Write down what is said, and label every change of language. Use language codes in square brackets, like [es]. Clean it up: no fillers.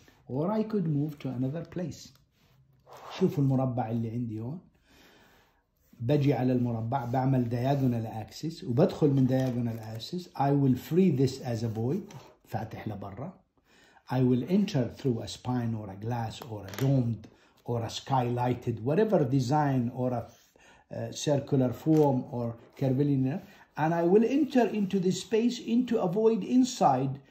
[en] Or I could move to another place. [ar] شوفوا المربع اللي عندي هون. بجي على المربع، بعمل diagonal axis، وبدخل من diagonal axis. [en] I will free this as a void. [ar] فاتح لبرا. [en] I will enter through a spine or a glass or a domed or a skylighted. Whatever design or a circular form or curvilinear. And I will enter into this space into a void inside.